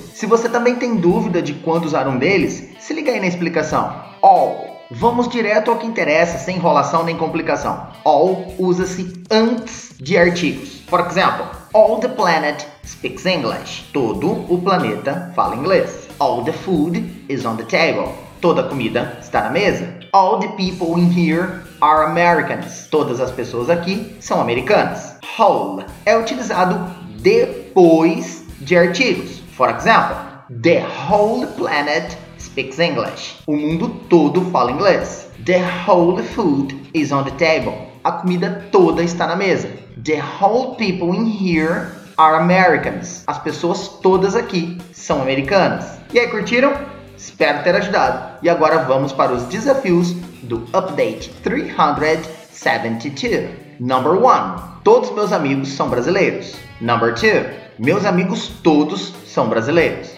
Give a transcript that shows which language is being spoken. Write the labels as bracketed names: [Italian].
[Portuguese] Se você também tem dúvida de quando usar um deles, se liga aí na explicação. All. Vamos direto ao que interessa, sem enrolação nem complicação. All usa-se antes de artigos. Por exemplo, [English] all the planet speaks English. [Portuguese] Todo o planeta fala inglês. [English] All the food is on the table. [Portuguese] Toda a comida está na mesa. [English] All the people in here are Americans. [Portuguese] Todas as pessoas aqui são americanas. Whole é utilizado depois de artigos. [English] For example, the whole planet speaks English. [Portuguese] O mundo todo fala inglês. [English] The whole food is on the table. [Portuguese] A comida toda está na mesa. [English] The whole people in here are Americans. [Portuguese] As pessoas todas aqui são americanas. E aí, curtiram? Espero ter ajudado. E agora vamos para os desafios do Update 372. [English] Number 1. [Portuguese] Todos meus amigos são brasileiros. [English] Number 2. [Portuguese] Meus amigos todos são brasileiros.